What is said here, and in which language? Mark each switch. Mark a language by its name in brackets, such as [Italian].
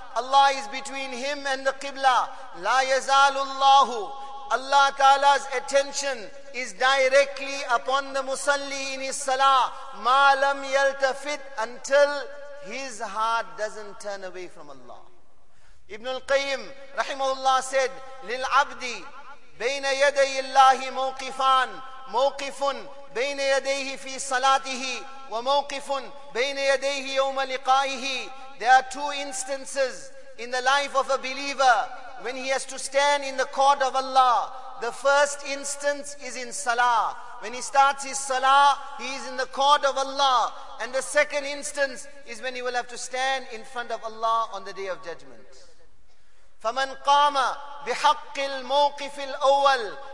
[English] Allah is between him and the Qibla. [Arabic] لَا يَزَالُ اللَّهُ. [English] Allah Ta'ala's attention is directly upon the musalli in his salah. [Arabic] مَا لَمْ يَلْتَفِتْ. [English] Until his heart doesn't turn away from Allah. Ibn al-Qayyim rahimahullah said, [Arabic] لِلْعَبْدِ بين يدي الله موقفان, موقف بين يديه في صلاته وموقف بين يديه يوم لقائه. [English] There are two instances in the life of a believer when he has to stand in the court of Allah, the first instance is in salah. When he starts his salah, he is in the court of Allah. And the second instance is when he will have to stand in front of Allah on the day of judgment. [Arabic] فَمَنْ قَامَ بِحَقِّ الْمَوْقِفِ الْأَوَّلِ.